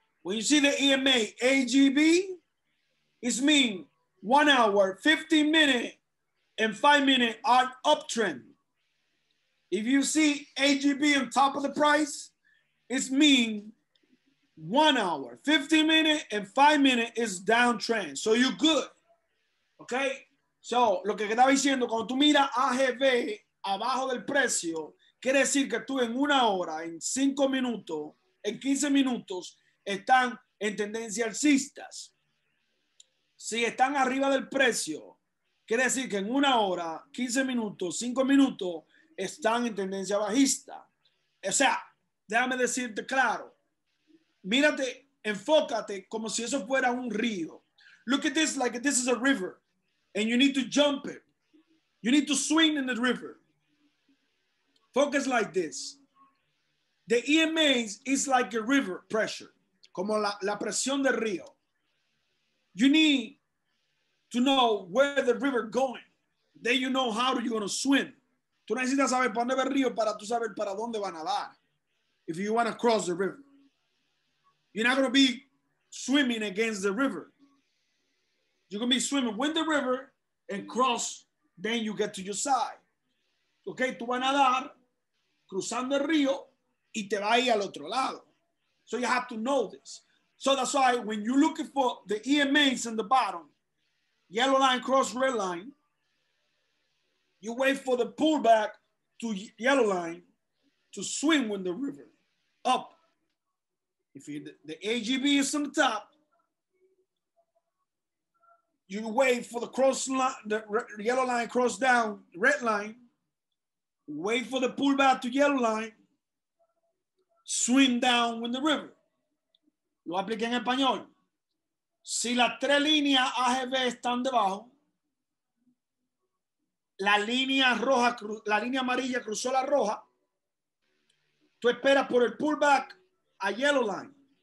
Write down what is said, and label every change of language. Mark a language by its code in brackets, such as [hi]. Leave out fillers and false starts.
[en] When you see the EMA, AGB, it's mean 1 hour, 15 minutes, and 5 minutes are uptrend. If you see AGB on top of the price, it's mean 1 hour, 15 minutes and 5 minutes is downtrend. So you're good, okay? [es] So, lo que estaba diciendo, cuando tú miras AGB abajo del precio, quiere decir que tú en una hora, en 5 minutos, en 15 minutos, están en tendencia alcistas. Si están arriba del precio, quiere decir que en una hora, 15 minutos, 5 minutos, están en tendencia bajista. O sea, déjame decirte claro. Mírate, enfócate como si eso fuera un río. [en] Look at this like this is a river. And you need to jump it. You need to swim in the river. Focus like this. The EMAs is like a river pressure. [es] Como la presión del río. [en] You need to know where the river going. Then you know how you're going to swim. [es] Tú necesitas saber para dónde va el río para tú saber para dónde va a nadar. [en] If you want to cross the river. You're not going to be swimming against the river. You're going to be swimming with the river and cross, then you get to your side. [es] Okay, tú vas a nadar cruzando el río y te va a ir al otro lado. [en] So you have to know this. So that's why when you're looking for the EMAs in the bottom, yellow line cross red line, you wait for the pullback to yellow line to swim with the river up. If the AGB is on the top, you wait for the cross line, the yellow line cross down, red line, wait for the pullback to yellow line, swim down with the river. [es] Lo apliqué en español. Si las tres líneas AGB están debajo, la línea roja, la línea amarilla cruzó la roja. Tú esperas por el pullback a [en] yellow line.